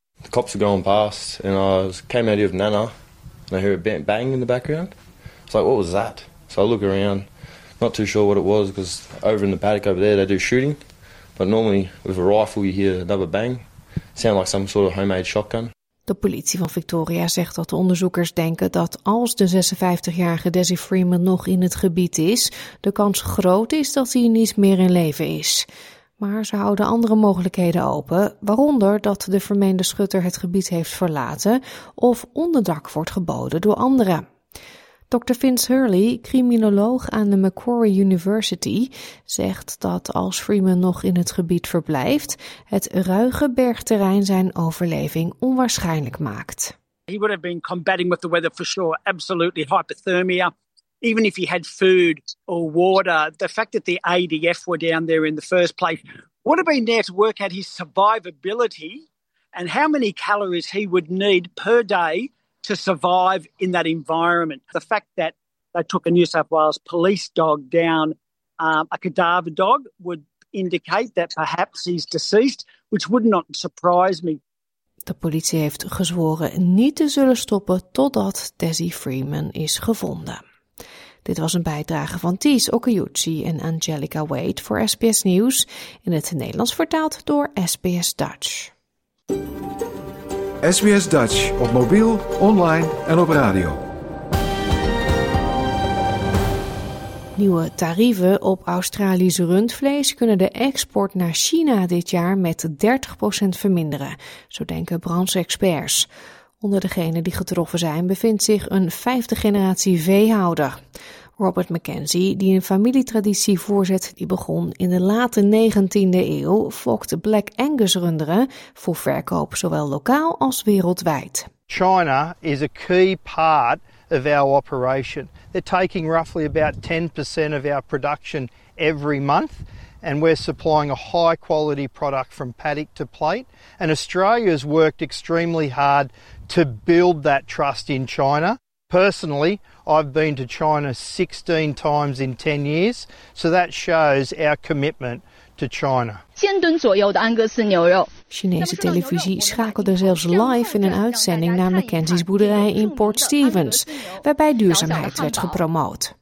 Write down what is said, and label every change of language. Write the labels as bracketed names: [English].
[English] The cops were going past and I came out of Nana and I heard a bang in the background. I was like, what was that? So I look around, not too sure what it was because over in the paddock over there they do shooting, but normally with a rifle you hear another bang, sound like some sort of homemade shotgun. [Dutch] De politie van Victoria zegt dat de onderzoekers denken dat als de 56-jarige Desi Freeman nog in het gebied is, de kans groot is dat hij niet meer in leven is. Maar ze houden andere mogelijkheden open, waaronder dat de vermeende schutter het gebied heeft verlaten of onderdak wordt geboden door anderen. Dr. Vince Hurley, criminoloog aan de Macquarie University, zegt dat als Freeman nog in het gebied verblijft, het ruige bergterrein zijn overleving onwaarschijnlijk maakt. [English] He would have been combating with the weather for sure, absolutely hypothermia. Even if he had food or water, the fact that the ADF were down there in the first place would have been there to work out his survivability and how many calories he would need per day to survive in that environment. The fact that they took a New South Wales police dog down, a cadaver dog, would indicate that perhaps he's deceased, which would not surprise me. [Dutch] De politie heeft gezworen niet te zullen stoppen totdat Desi Freeman is gevonden. Dit was een bijdrage van Thies Okeyuchi en Angelica Wade voor SBS Nieuws, in het Nederlands vertaald door SBS Dutch. SBS Dutch op mobiel, online en op radio. Nieuwe tarieven op Australisch rundvlees kunnen de export naar China dit jaar met 30% verminderen, zo denken branche-experts. Onder degenen die getroffen zijn bevindt zich een vijfde generatie veehouder. Robert McKenzie, die een familietraditie voorzet die begon in de late 19e eeuw, fokte Black Angus runderen voor verkoop zowel lokaal als wereldwijd. [English] China is a key part of our operation. They're taking roughly about 10% of our production every month, and we're supplying a high quality product from paddock to plate. And Australia has worked extremely hard to build that trust in China. Personally, I've been to China 16 times in 10 years, so that shows our commitment to China. [Chinese] 10 吨左右的安格斯牛肉。 [Dutch] Chinese televisie schakelde zelfs live in een uitzending naar McKenzie's boerderij in Port Stevens, waarbij duurzaamheid werd gepromoot.